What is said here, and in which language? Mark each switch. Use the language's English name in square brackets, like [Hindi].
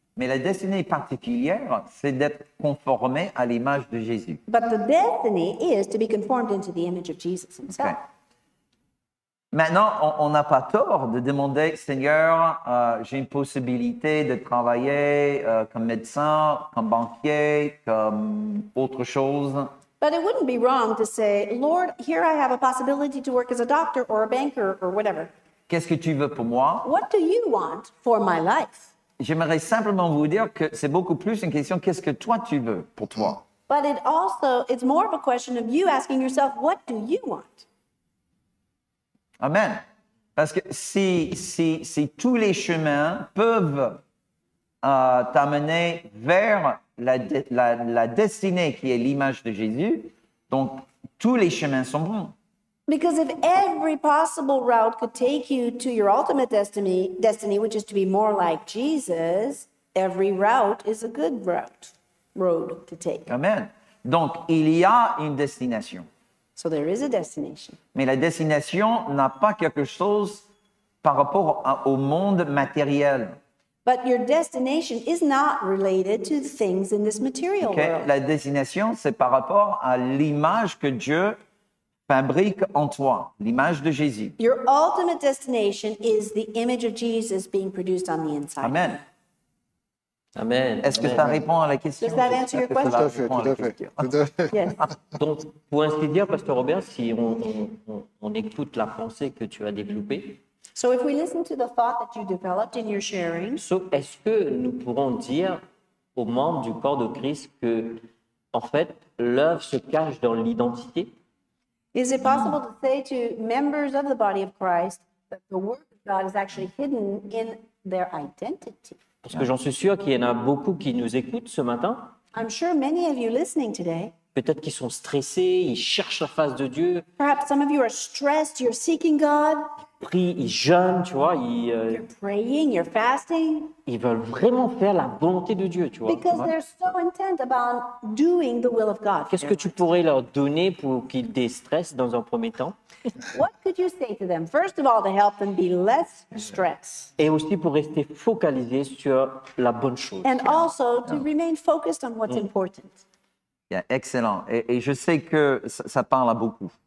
[French] Mais la destinée particulière, c'est d'être conformé à l'image de Jésus. [English] But the destiny is to be conformed into the image of Jesus himself. Okay. [French] Maintenant, on n'a pas tort de demander, Seigneur, j'ai une possibilité de travailler comme médecin, comme banquier, comme autre chose. [English] But it wouldn't be wrong to say, Lord, here I have a possibility to work as a doctor or a banker or whatever. [French] Qu'est-ce que tu veux pour moi? [English] What do you want for my life? [French] J'aimerais simplement vous dire que c'est beaucoup plus une question, qu'est-ce que toi tu veux pour toi? [English] But it's more of a question of you asking yourself, what do you want? Amen. [French] Parce que si tous les chemins peuvent t'amener vers la destinée qui est l'image de Jésus, donc tous les chemins sont bons. [English] Because if every possible route could take you to your ultimate destiny, which is to be more like Jesus, every route is a good road to take. [French] Amen. Donc il y a une destination. [English] So there is a destination. [French] Mais la destination n'a pas quelque chose par rapport au monde matériel. [English] But your destination is not related to things in this material okay. world. [French] La destination, c'est par rapport à l'image que Dieu fabrique en toi, l'image de Jésus. [English] Your ultimate destination is the image of Jesus being produced on the inside. Amen. Amen. [French] Est-ce que [English] Amen. [French] Ça répond à la question? [English] Does that answer your question? [French] Tout à fait. Donc, pour ainsi dire, Pasteur Robert, si on écoute la pensée que tu as développée, [English] So if we listen to the thought that you developed in your sharing, [French] so est-ce que nous pourrons dire aux membres du corps de Christ que, en fait, l'œuvre se cache dans l'identité? [English] Is it possible to say to members of the body of Christ that the work of God is actually hidden in their identity? [French] Parce que j'en suis sûr qu'il y en a beaucoup qui nous écoutent ce matin. [English] I'm sure many of you listening today. [French] Peut-être qu'ils sont stressés, ils cherchent la face de Dieu. [English] Perhaps some of you are stressed, you're seeking God. [French] Ils prient, ils jeûnent, tu vois. [English] You're praying, you're fasting. [French] Ils veulent vraiment faire la volonté de Dieu, tu vois. [English] Because they're so intent about doing the will of God. [French] Qu'est-ce que tu pourrais leur donner pour qu'ils déstressent dans un premier temps? [English] What could you say to them? First of all, to help them be less stressed. [French] Et aussi pour rester focalisés sur la bonne chose. [English] And also to remain focused on what's important. Yeah, excellent. [French] Et je sais que ça parle à beaucoup.